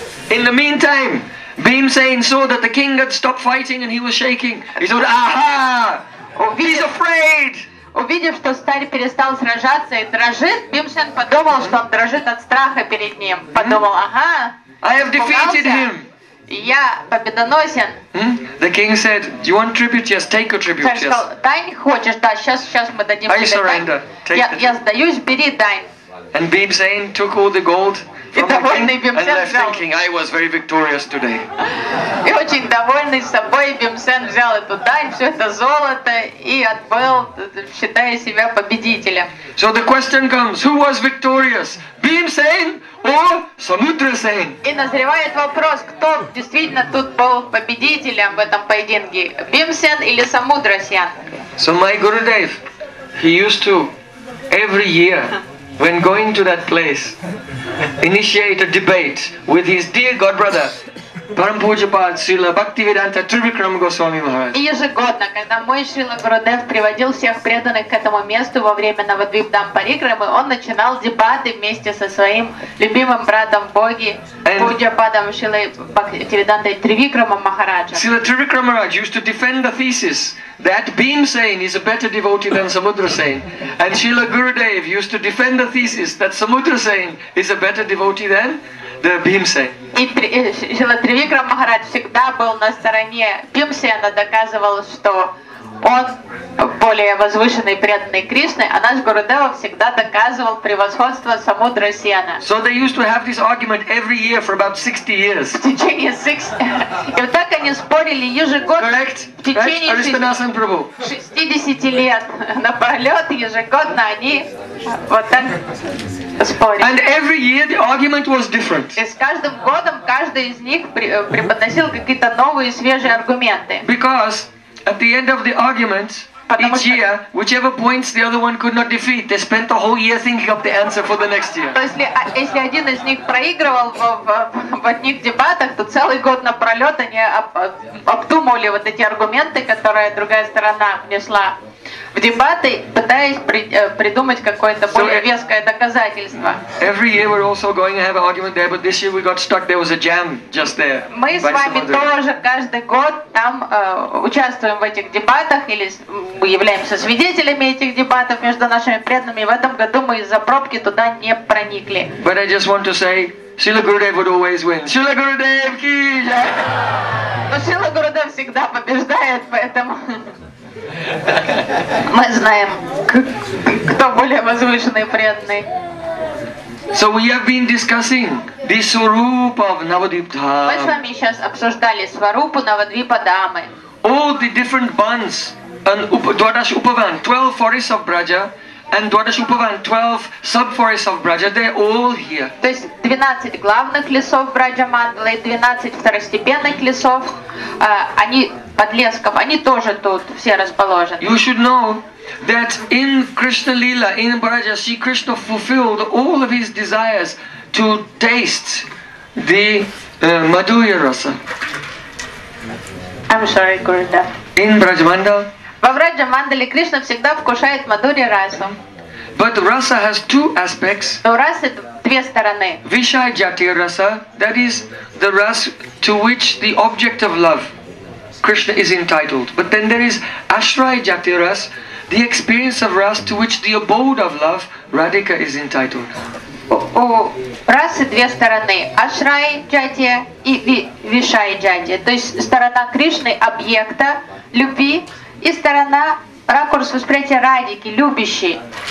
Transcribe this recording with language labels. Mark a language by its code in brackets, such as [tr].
[en] In the meantime, Bhimsen saw that the king had stopped fighting and he was shaking. He said, "Aha! He's afraid!" [ru] Увидев, что царь перестал сражаться и дрожит, Бхимсен подумал, что он дрожит от страха перед ним. Подумал: "Ага, [en] I have defeated him." [ru] Я победоносен. [en] The king said, "Do you want tribute? Yes, take a tribute." [ru] Царь сказал: "Дань хочешь? Да, сейчас мы дадим тебе дань. [en] I surrender. [ru] Я сдаюсь, бери дань." [en] And Bhimsen took all the gold from the king and left, thinking, "I was very victorious today." [ru] И очень довольный собой Бхимсен взял эту дань, все это золото, и отбыл, считая себя победителем. [en] So the question comes: who was victorious, Bhimsen or Samudrasen? [ru] И назревает вопрос: кто действительно тут был победителем в этом поединке, Бхимсен или Самудрасен? [en] So my Gurudev, he used to every year, when going to that place, initiate a debate with his dear godbrother, [ru] Парампуджапад Шрила Бхактивиданта Трибикрама Госвами Махарадж. И ежегодно, когда мой Шрила Гурудев приводил всех преданных к этому месту во время Навадвипдам Парикрамы, он начинал дебаты вместе со своим любимым братом Боги Пуджападом Шрила Бхактивидантой Трибикрама Махараджа. [en] Шрила Трибикрама Махарадж used to defend the thesis that Bhim Sain is a better devotee than Samudra Sain. And Srila Gurudev used to defend the thesis that Samudra Sain is a better devotee than the Bhim Sain. [ru] И Шрила Трибикрама Махарадж всегда был на стороне Бхим Сена, доказывал, что он более возвышенный преданный Кришны, а наш Гурудева всегда доказывал превосходство Самудра Сена. [en] So they used to have this argument every year for about 60 years. [ru] В течение 60... И вот так они спорили ежегодно. [en] Correct. [ru] В течение 60 лет напролет ежегодно они вот так... Спорить. [en] And every year the argument was different. [ru] И с каждым годом каждый из них преподносил какие-то новые свежие аргументы. [en] Because at the end of the argument, each year, whichever points the other one could not defeat, they spent the whole year thinking up the answer for the next year. [ru] Если один из них проигрывал в одних дебатах, то целый год напролет они обдумывали вот эти аргументы, которые другая сторона внесла в дебаты, пытаясь придумать какое-то более веское доказательство. [en] Every year we're also going to have an argument there, but this year we got stuck. There was a jam just there. [ru] Мы с вами тоже каждый год там участвуем в этих дебатах или мы являемся свидетелями этих дебатов между нашими преданными. В этом году мы из-за пробки туда не проникли. [en] But I just want to say, Srila Gurudev would always win. [hi] Srila Gurudev ki jai. [ru] Но Srila Gurudev всегда побеждает, поэтому. Мы знаем, кто более возвышенный и преданный. [en] So we have been discussing the swarup of Navadvipdham. [ru] Мы с вами сейчас обсуждали сварупу Навадвипадамы. [en] All the different bands and Dwadash Upavan, 12 forests of Braja, and Dwadash Upavan, 12 sub-forests of Braja, they're all here. [ru] То есть 12 главных лесов Браджа-мандалы, 12 второстепенных лесов, они подлесков, они тоже тут все расположены. [en] You should know that in Krishna Lila, in Braja, Sri Krishna fulfilled all of his desires to taste the Madhurya Rasa. I'm sorry, Gurudev. In Braja-mandal, [ru] во Враджа Мандале Кришна всегда вкушает Мадхурья Расу. [en] But Rasa has two aspects. [ru] Но Расы две стороны. [en] Вишай Джатир Раса, that is the Rasa to which the object of love, Krishna is entitled. But then there is Ashray Jatir Rasa, the experience of Rasa to which the abode of love, Radhika, is entitled. [ru] У Расы две стороны, Ашрай Джатия и Вишай Джатия, то есть сторона Кришны, объекта любви, и сторона ракурс восприятия Радики, любящей.